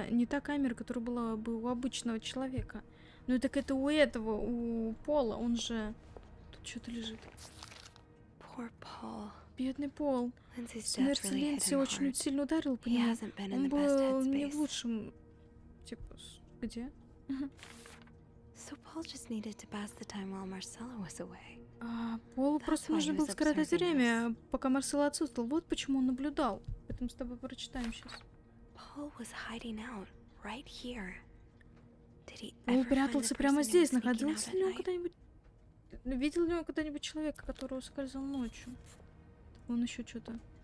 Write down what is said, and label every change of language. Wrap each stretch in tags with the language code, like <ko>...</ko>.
<ru>Не та камера, которая была бы у обычного человека. Ну так это у этого, у Пола, он же... Тут что-то лежит.</ru> <en>Poor Paul.</en> <ru>Бедный Пол. Смерть Линдси очень сильно ударила по нему. Он был не в лучшем... Типа, где?</ru> <en>So Paul just needed to pass the time while Marcella was away.</en> <ru>Полу просто нужно было скоротать время, пока Марселла отсутствовал. Вот почему он наблюдал. Поэтому с тобой прочитаем сейчас.</ru> <en>Paul was hiding out right here.</en> <ru>Он прятался прямо здесь, находился ли он когда-нибудь... Видел ли он когда-нибудь человека, который ускользал ночью? Он еще что-то...</ru>